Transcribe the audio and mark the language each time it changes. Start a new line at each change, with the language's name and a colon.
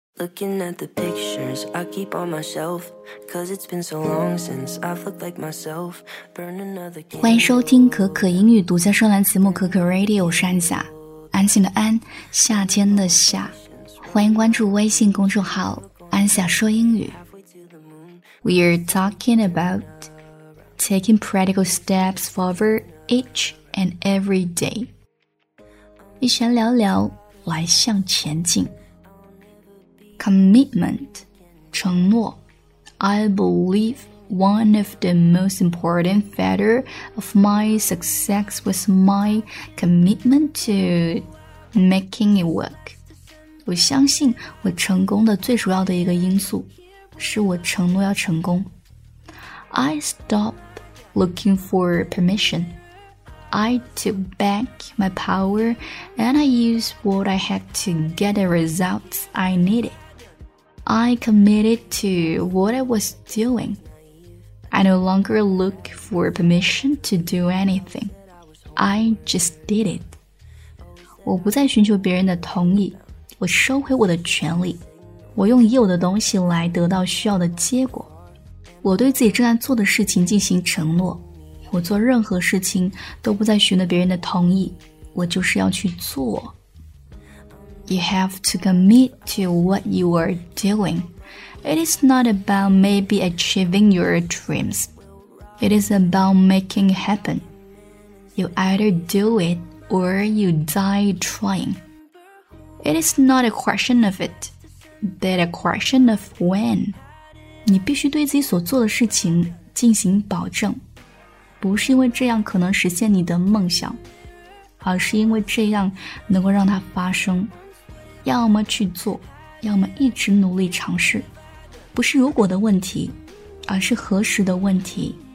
English: Looking at the pictures I keep on my shelf, cause it's been so long since I've looked like myself. Burn another candle.
Chinese: 欢迎收听可可英语独家专栏节目可可 Radio， 山下安心的安，夏天的夏。欢迎关注微信公众号安夏说英语。
English: We're talking about taking practical steps forward each and every day.
Chinese: 一闲聊聊来向前进。
English: Commitment,
Chinese: 承诺
English: I believe one of the most important factors of my success was my commitment to making it work.
Chinese: 我相信我成功的最主要的一个因素是我承诺要成功。
English: I stopped looking for permission. I took back my power and I used what I had to get the results I needed. I committed to what I was doing. I no longer look for permission to do anything. I just did it.
Chinese: 我不再寻求别人的同意，我收回我的权利，我用已有的东西来得到需要的结果。我对自己正在做的事情进行承诺，我做任何事情都不再寻求别人的同意，我就是要去做。
English: You have to commit to what you are doing. It is not about maybe achieving your dreams. It is about making it happen. You either do it or you die trying. It is not a question of it, but a question of when.
Chinese: 你必须对自己所做的事情进行保证，不是因为这样可能实现你的梦想，而是因为这样能够让它发生。要么去做，要么一直努力尝试，不是如果的问题，而是何时的问题。